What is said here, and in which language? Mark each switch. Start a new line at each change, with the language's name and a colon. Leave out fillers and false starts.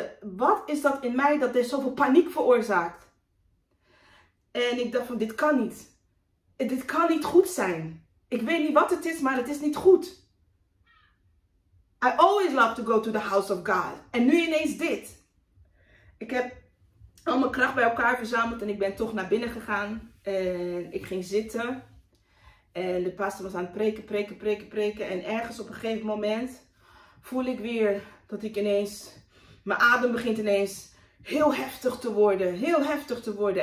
Dutch: Wat is dat in mij dat er zoveel paniek veroorzaakt? En ik dacht van, dit kan niet. Dit kan niet goed zijn. Ik weet niet wat het is, maar het is niet goed.
English: I always love to go to the house of God.
Dutch: En nu ineens dit. Ik heb al mijn kracht bij elkaar verzameld en ik ben toch naar binnen gegaan. En ik ging zitten. En de pastor was aan het preken. En ergens op een gegeven moment voel ik weer dat ik ineens... Mijn adem begint ineens heel heftig te worden.